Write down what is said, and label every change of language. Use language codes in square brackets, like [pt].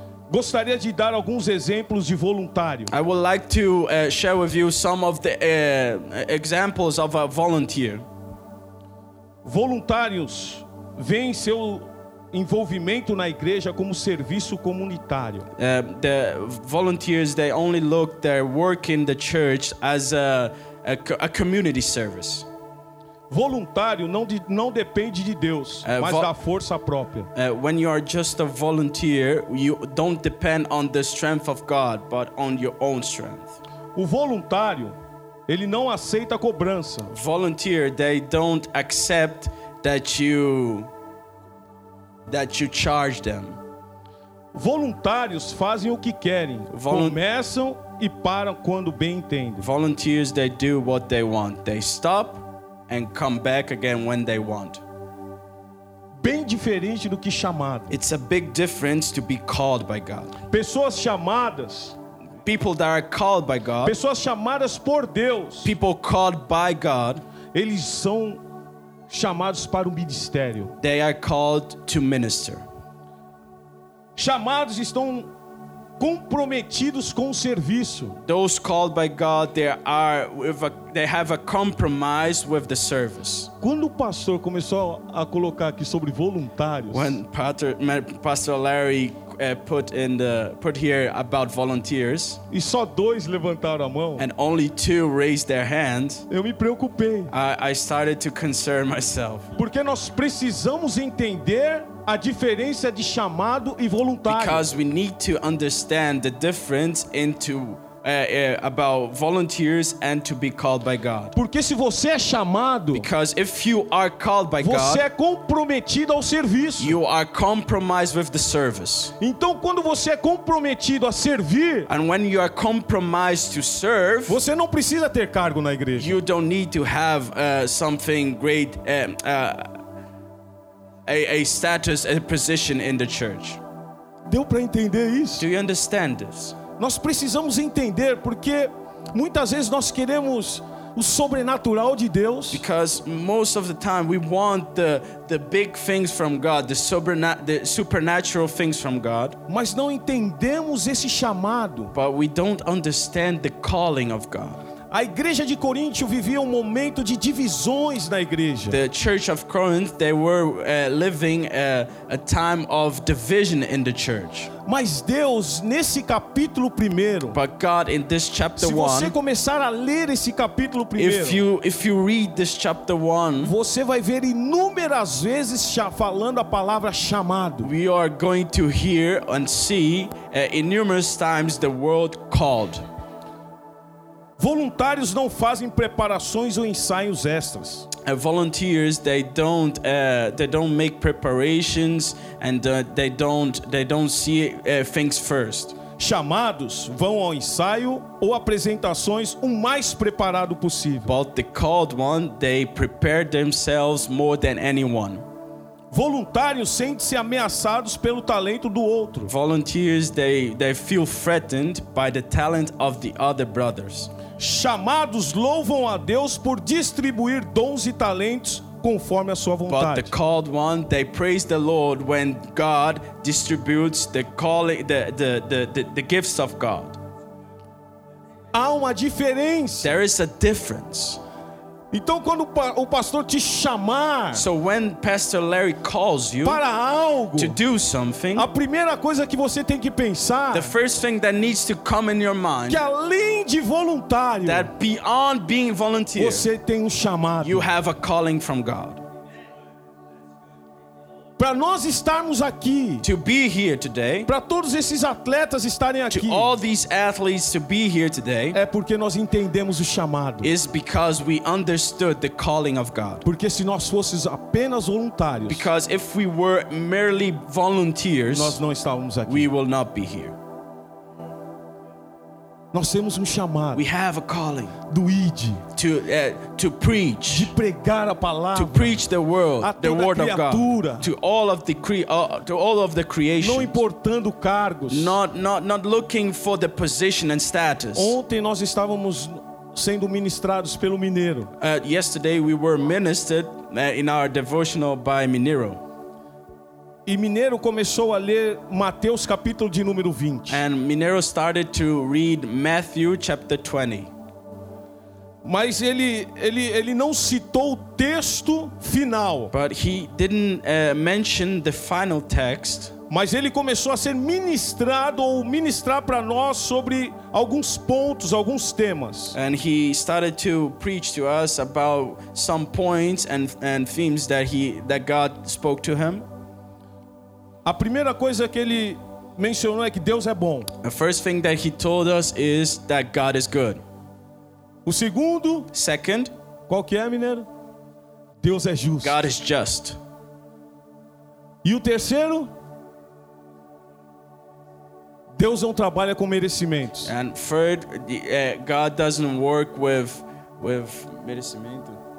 [pt] Gostaria de dar alguns exemplos de voluntário. [en] I would like to share with you some of the examples of a volunteer. [pt] Voluntários veem seu envolvimento na igreja como serviço comunitário. [en] The volunteers, they only look their work in the church as a community service. [pt] Voluntário não depende de Deus, mas da força própria. [en] When you are just a volunteer, you don't depend on the strength of God, but on your own strength. [pt] O voluntário, ele não aceita cobrança. [en] Volunteer, they don't accept that you charge them. [pt] Voluntários fazem o que querem, começam e param quando bem entendem. [en] Volunteers, they do what they want. They stop and come back again when they want. [pt] Bem diferente do que chamado. [en] It's a big difference to be called by God. [pt] Pessoas chamadas. [en] People that are called by God. [pt] Pessoas chamadas por Deus. [en] People called by God. [pt] Eles são chamados para o ministério. [en] They are called to minister. [pt] Chamados estão comprometidos com o serviço. [en] Those called by God, they have a compromise with the service. [pt] Quando o pastor começou a colocar aqui sobre voluntários, [en] when Pastor Larry put here about volunteers, [pt] e só dois levantaram a mão, [en] and only two raised their hands, [pt] eu me preocupei. [en] I started to concern myself. [pt] Porque nós precisamos entender a diferença de chamado e voluntário. [en] Because we need to understand the difference into about volunteers and to be called by God. [pt] Porque se você é chamado, [en] because if you are called by [pt] você é comprometido ao serviço. [en] You are compromised with the service. [pt] Então quando você é comprometido a servir, [en] and when you are compromised to serve, [pt] você não precisa ter cargo na igreja. [en] You don't need to have something great a status, a position in the church. [pt] Deu para entender isso? [en] Do you understand this? [pt] Nós precisamos entender porque muitas vezes nós queremos o sobrenatural de Deus. [en] Because most of the time we want the big things from God, the supernatural things from God. [pt] Mas não entendemos esse chamado. [en] But we don't understand the calling of God. [pt] A igreja de Corinto vivia um momento de divisões na igreja. [en] The church of Corinth, they were living a time of division in the church. [pt] Mas Deus, nesse capítulo primeiro, [en] but God, in this chapter 1, [pt] se você começar a ler esse capítulo primeiro, [en] if you read this chapter 1, [pt] você vai ver inúmeras vezes falando a palavra chamado. [en] We are going to hear and see numerous times the word called. [pt] Voluntários não fazem preparações ou ensaios extras. [en] Volunteers, they don't make preparations and they don't see things first. [pt] Chamados vão ao ensaio ou apresentações o mais preparado possível. [en] But the called one, they prepare themselves more than anyone. [pt] Voluntários sentem-se ameaçados pelo talento do outro. [en] Volunteers, they feel threatened by the talent of the other brothers. [pt] Chamados louvam a Deus por distribuir dons e talentos conforme a sua vontade. [en] But the called one, they praise the Lord when God distributes the calling, the gifts of God. [pt] Há uma diferença. [en] There is a difference. [pt] Então quando o pastor te chamar, [en] so when Pastor Larry calls you, [pt] para algo, [en] to do something, [pt] a primeira coisa que você tem que pensar, [en] the first thing that needs to come in your mind, [pt] que além de voluntário, [en] that beyond being volunteer, [pt] você tem um chamado, [en] you have a calling from God. [pt] Para nós estarmos aqui, [en] to be here today, [pt] para todos esses atletas estarem aqui, [en] to all these athletes to be here today, [pt] é porque nós entendemos o chamado, [en] is because we understood the calling of God. [pt] Porque se nós fôssemos apenas voluntários, [en] because if we were merely volunteers, [pt] nós não estávamos aqui, [en] we will not be here. [pt] Nós temos um chamado. [en] We have a calling. [pt] Do ID. [en] To preach. [pt] De pregar a palavra. [en] To preach the word. The word [pt] criatura, [en] of God. To all of the creation. [pt] Não importando cargos. [en] Not looking for the position and status. [pt] Ontem nós estávamos sendo ministrados pelo Mineiro. [en] Yesterday we were ministered in our devotional by Mineiro. [pt] E Mineiro começou a ler Mateus capítulo de número 20. [en] And Mineiro started to read Matthew chapter 20. [pt] Mas ele não citou o texto final. [en] But he didn't mention the final text. [pt] Mas ele começou a ser ministrado ou ministrar para nós sobre alguns pontos, alguns temas. [en] And he started to preach to us about some points and themes that God spoke to him. [pt] A primeira coisa que ele mencionou é que Deus é bom. [en] The first thing that he told us is that God is good. [pt] O segundo, [en] second, [pt] qual que é, Mineiro? Deus é justo. [en] God is just. [pt] E o terceiro, Deus não trabalha com merecimentos. [en] And third, God doesn't work with merecimento.